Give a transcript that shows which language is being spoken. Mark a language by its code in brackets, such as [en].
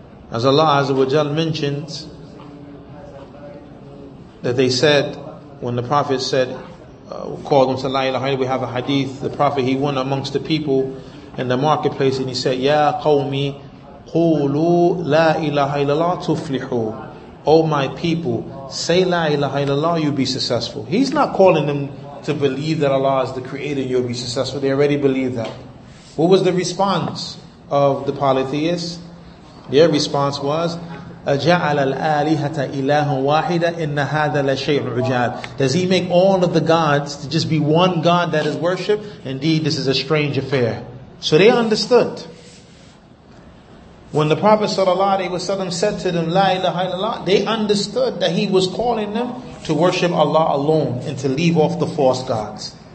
[en] As Allah Azza wa Jal mentions, that they said, when the Prophet said, called them to La ilaha illallah, we have a hadith, the Prophet, he went amongst the people in the marketplace and he said, [ar] Ya qawmi, qulu la ilaha illallah tuflihu. [en] O my people, say La ilaha illallah, you'll be successful. He's not calling them to believe that Allah is the creator, you'll be successful. They already believe that. What was the response of the polytheists? Their response was, [ar] أَجَعَلَ الْآلِهَةَ إِلَهًا وَاحِدًا إِنَّ هَذَا لَشَيْءٌ عُجَابٌ. [en] Does he make all of the gods to just be one god that is worshipped? Indeed, this is a strange affair. So they understood. When the Prophet sallallahu alaihi wasallam said to them, La ilaha illallah, they understood that he was calling them to worship Allah alone and to leave off the false gods.